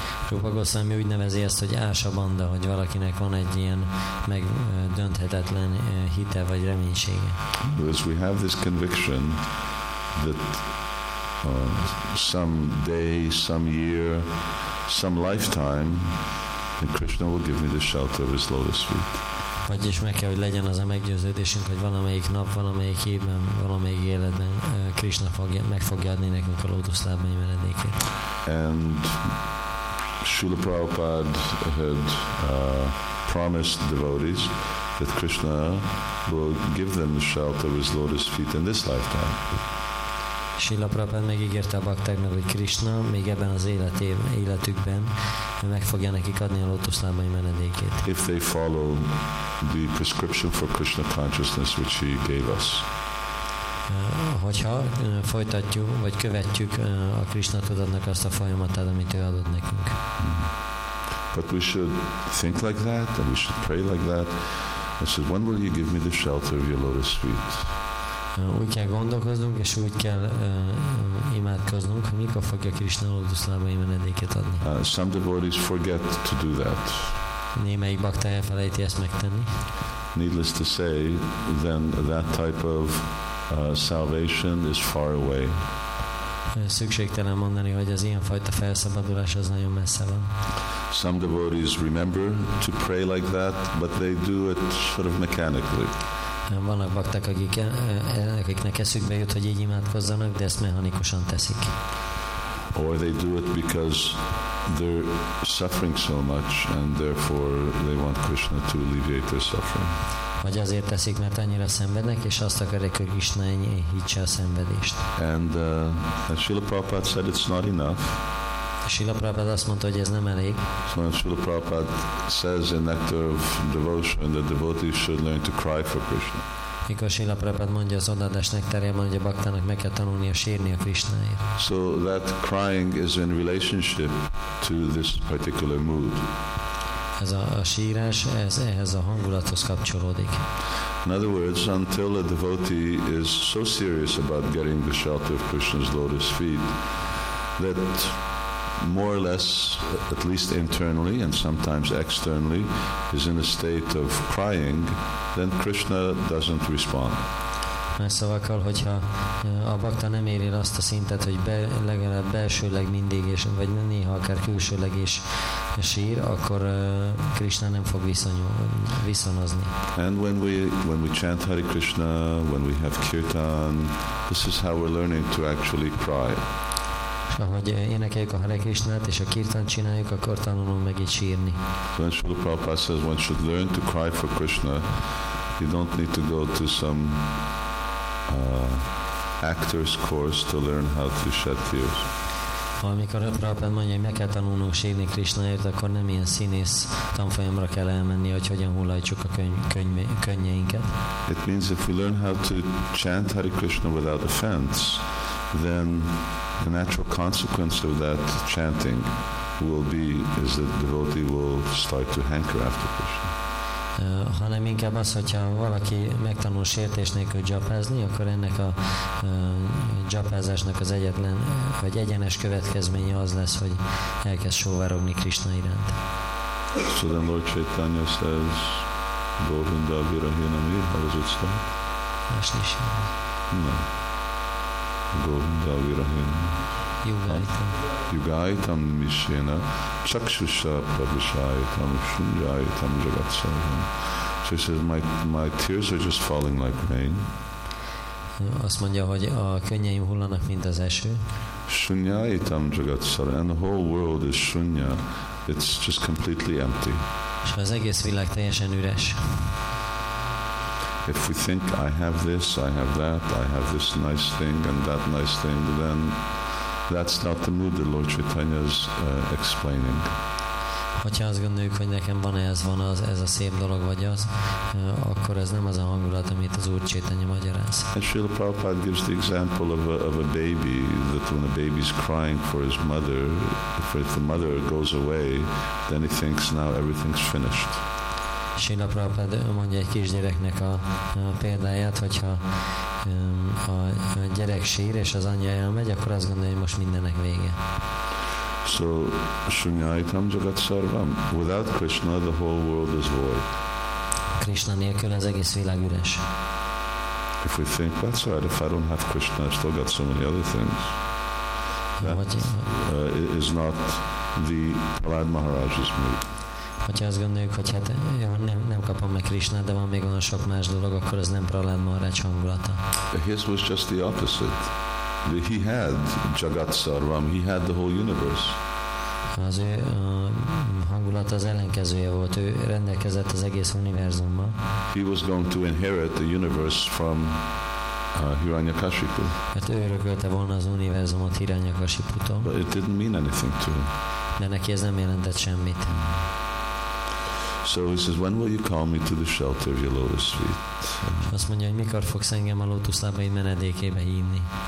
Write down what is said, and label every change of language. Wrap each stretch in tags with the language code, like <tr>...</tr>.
<hu>Rupa Goswami úgy nevezi ezt, hogy ásha banda, hogy valakinek van egy ilyen megdönthetetlen hite vagy reménysége.</hu> <en>Because we have this conviction that some day, some year, some lifetime, and Krishna will give me the shelter of his lotus feet.</en> <hu>vagyis meg kell, hogy legyen az a meggyőződésünk, hogy valamelyik nap, valamelyik évben, valamelyik életben Krisna fogja, meg fogja adni nekünk a lótuszlábany menedékét.</hu> <en>And Srila Prabhupada had promised devotees that Krishna will give them the shelter of his lotus feet in this lifetime.</en> <hu>Srila Prabhupada megígérte a baktáknak, hogy Krishna még ebben az életükben meg fogja nekik adni a lótuszlábai menedékét.</hu> <en>If they follow the prescription for Krishna consciousness, which he gave us.</en> <hu>Hogyha folytatjuk, vagy követjük a Krishna tudatnak azt a folyamatát, amit ő adott nekünk.</hu> <en>But we should think like that, and we should pray like that. I said, when will you give me the shelter of your lotus feet?</en> <hu>Úgy kell gondolkoznunk, és úgy kell imádkoznunk, hogy mikor fogja Krishna lótuszlábai menedéket adni.</hu> <en>Some devotees forget to do that.</en> <hu>Némelyik bakta elfelejti ezt megtenni.</hu> <en>Needless to say, then that type of salvation is far away.</en> <hu>Szükségtelen mondani, hogy az ilyen fajta felszabadulás az nagyon messze van.</hu> <en>Some devotees remember to pray like that, but they do it sort of mechanically.</en> <hu>Vannak bakták, akiknek eszükbe jut, hogy így imádkozzanak, de ezt mechanikusan teszik.</hu> <en>Or they do it because they're suffering so much, and therefore they want Krishna to alleviate their suffering.</en> <hu>Vagy azért teszik, mert annyira szenvednek, és azt akarják, hogy Krishna enyhítse a szenvedést.</hu> <en>And Srila Prabhupada said it's not enough.</en> <hu>Srila Prabhupada azt mondta, hogy ez nem elég.</hu> <en>So Srila Prabhupada says in Nectar of Devotion that devotees should learn to cry for Krishna.</en> <hu>Mikor Srila Prabhupada mondja az odaadás nektárjában, hogy a baktának meg kell tanulnia sírni a Krishnáért.</hu> <en>So that crying is in relationship to this particular mood.</en> <hu>Ez a sírás, ez ehhez a hangulathoz kapcsolódik.</hu> <en>In other words, until a devotee is so serious about getting the shelter of Krishna's lotus feet, that more or less, at least internally and sometimes externally, is in a state of crying, then Krishna doesn't respond.</en> <hu>Más szavakkal, hogyha a bakta nem éri azt a szintet, hogy legalább belsőleg mindig, és, vagy néha akár külsőleg is sír, akkor Krishna nem fog viszonozni.</hu> <en>And when we chant Hare Krishna, when we have kirtan, this is how we're learning to actually cry.</en> <hu>És ahogy énekeljük a Hare Krishnát és a kirtan csináljuk, akkor tanulunk meg így sírni.</hu> <en>When Srila Prabhupada says one should learn to cry for Krishna, you don't need to go to some actor's course to learn how to shed tears.</en> <hu>Amikor a Prabhupada mondja, hogy meg kell tanulnunk sírni Krishnaért, akkor nem ilyen színész tanfolyamra kell elmenni, hogy hogyan hullajtsuk a könnyeinket.</hu> <en>It means if we learn how to chant Hare Krishna without offense, then the natural consequence of that chanting will be is that the devotee will start to hanker after Krishna.</en> <hu>Hanem inkább az, hogyha valaki megtanul sértés nélkül japázni, akkor ennek a japázásnak az egyetlen, vagy egyenes következménye az lesz, hogy elkezd sóvárogni Krishna iránt.</hu> <en>So then Lord Chaitanya says,</en> <sa>Govinda virahinami,</sa> <en>how does it start?</en> <sa>Vasnishina. No. Govinda virahinami. Yugaitam Mishena Chakshusha Prabhushayitam Shunjayitam Jagatsayam.</sa> <en>So he says, my tears are just falling like rain.</en> <hu>Azt mondja, hogy a könnyeim hullanak, mint az eső.</hu> <sa>Shunjayitam Jagatsayam.</sa> <en>And the whole world is shunya. It's just completely empty.</en> <hu>És az egész világ teljesen üres.</hu> <en>If we think, I have this, I have that, I have this nice thing and that nice thing, then that's not the mood that Lord Chaitanya is explaining.</en> <hu>Hogyha azt gondoljuk, hogy nekem van ez, van az, ez a szép dolog vagy az, akkor ez nem az a hangulat, amit az Úr Chaitanya magyaráz.</hu> <en>And Srila Prabhupada gives the example of a baby, that when a baby is crying for his mother, if the mother goes away, then he thinks now everything's finished.</en> <hu>Srila Prabhupada mondja egy kisgyereknek a példáját, hogyha a gyerek sír, és az anyja elmegy, akkor azt gondolja, hogy most mindennek vége.</hu> <en>So,</en> <sa>shunyaitam jagat sarvam.</sa> <en>Without Krishna, the whole world is void.</en> <hu>Krishna nélkül az egész világ üres.</hu> <en>If we think, that's right, if I don't have Krishna, I still got so many other things. That is not the Prahlad Maharaj's mood.</en> <hu>hogyha azt gondoljuk, hogy hát nem kapom meg Krisnát, de van még olyan sok más dolog, akkor az nem Prahlád Maharaj hangulata.</hu> <en>His was just the opposite. He had Jagat Sarvam, he had the whole universe.</en> <hu>Az ő hangulat az ellenkezője volt, ő rendelkezett az egész univerzummal.</hu> <en>He was going to inherit the universe from Hiranyakashipu.</en> <hu>Hát ő örökölte volna az univerzumot Hiranyakashiputól.</hu> <en>But it didn't mean anything to him.</en> <hu>De neki ez nem jelentett semmit.</hu> <en>So he says, when will you call me to the shelter of your lotus feet?</en> <hu>Azt mondja, hogy mikor fogsz engem a lótuszlábaid menedékébe hívni?</hu>